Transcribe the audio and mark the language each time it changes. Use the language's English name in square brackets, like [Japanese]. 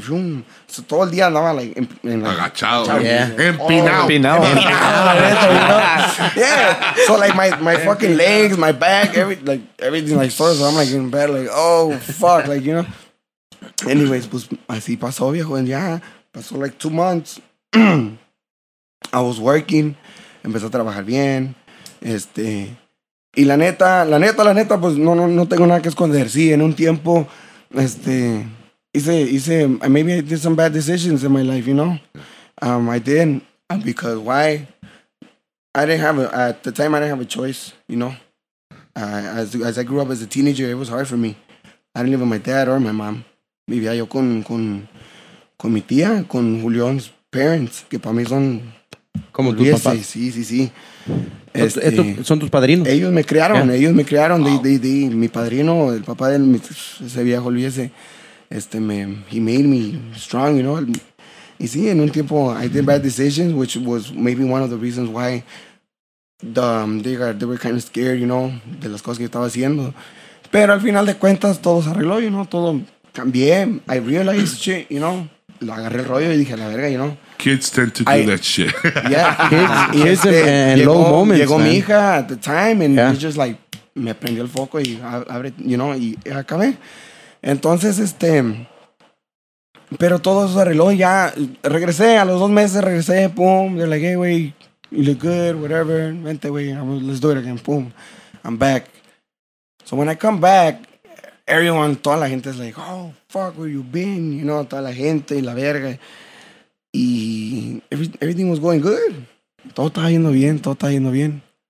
[Spanish] Vroom. So todo el día andaba, like, en la... Agachado. [English] Yeah. [Spanish] Empinado. [English] You know? Yeah. So, like, my fucking legs, my back, everything, like, sore. So I'm, like, in bed, like, oh, fuck, like, you know. [Spanish] Anyways, pues así pasó, viejo, and yeah, pasó [English] like 2 months. I was working, [Spanish] empecé a trabajar bien, y la neta, pues no tengo nada que esconder. Sí, en un tiempo, hice, [English] maybe I did some bad decisions in my life, you know? I did, because why? At the time, I didn't have a choice, you know? As I grew up as a teenager, it was hard for me. I didn't live with my dad or my mom. [Spanish] Vivía yo con mi tía, con Julián's parents, que para mí son... Como tus papás. Sí. ¿Son tus padrinos? Ellos me crearon, yeah. Ellos me crearon. Wow. They, mi padrino, el papá de mi, ese viejo Luis, [English] he made me strong, you know. [Spanish] Y sí, en un tiempo, [English] I did bad decisions, which was maybe one of the reasons why they were kind of scared, you know, [Spanish] de las cosas que yo estaba haciendo. Pero al final de cuentas, todo se arregló, you know, todo... Cambié, [English] I realized shit, you know. [Spanish] Lo agarré el rollo y dije, la verga, you know. [English] Kids tend to do that shit. Yeah. Kids in low moments. [Spanish] Llegó, [English] man. [Spanish] Mi hija [English] at the time and yeah. He just like, [Spanish] me prendió el foco y abre, you know, y acabé. Entonces, pero todo eso arregló y ya regresé. A los 2 meses regresé, boom. [English] They're like, hey, wey, you look good, whatever. Vente, wey, let's do it again, boom. I'm back. So when I come back, everyone, [Spanish] toda la gente es [English] like, oh, fuck, where you been? [Spanish] You know, toda la gente y la verga. Y [English] everything was going good. [Spanish] Todo estaba yendo bien.